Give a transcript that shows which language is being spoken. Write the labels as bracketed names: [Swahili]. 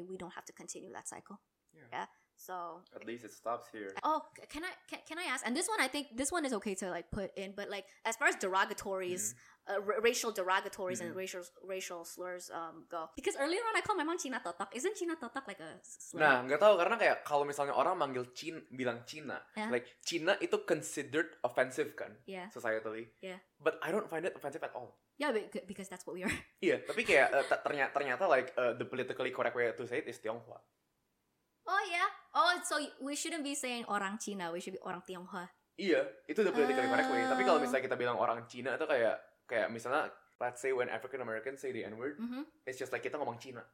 [English] We don't have to continue that cycle. Yeah. Yeah. So at least it stops here. Oh, can I ask? And this one, I think this one is okay to like put in. But like as far as derogatories, racial derogatories and racial slurs go. Because earlier on, I called my mom Cina Totok. Isn't Cina Totok like a slur? [Indonesian] Nah, nggak tahu karena kayak kalau misalnya orang manggil Cina, bilang Cina, [English] yeah. Like Cina [Indonesian] itu [English] considered offensive [Indonesian] kan? [English] Yeah. Societally. Yeah. But I don't find it offensive at all. Yeah, but because that's what we are. Yeah, [Indonesian] tapi kayak ternyata [English] like the politically correct way to say it is Tionghoa. Oh yeah. Oh, so we shouldn't be saying [Indonesian] orang Cina, [English] we should be [Indonesian] orang Tionghoa. Iya, itu [English] the politically correct way. [Indonesian] Tapi kalau misalnya kita bilang orang Cina itu kayak misalnya [English] let's say when African Americans say the N-word, it's just like [Indonesian] kita ngomong Cina.